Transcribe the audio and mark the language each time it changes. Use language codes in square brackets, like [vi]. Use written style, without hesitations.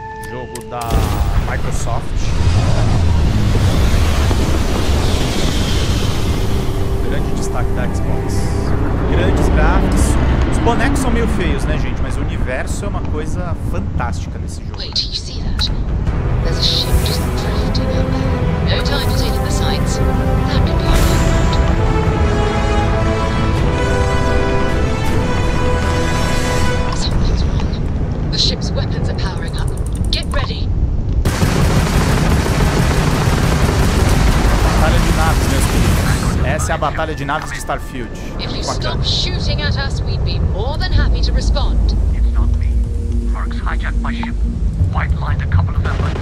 [pt] Jogo da Microsoft. Grande destaque da Xbox. Grandes gráficos. Os bonecos são meio feios, né, gente? Mas o universo é uma coisa fantástica nesse jogo. [en] Wait, do you see that? There's a ship just drifting over. No time to take in the sights. That could be our moment. Something's wrong. The ship's weapons are powering up. Get ready! [pt] Batalha de naves, meus queridos. Essa é a batalha de naves de Starfield. [en] If you stop shooting at us, we'd be more than happy to respond. It's not me. Mark's hijacked my ship. White lined a couple of them.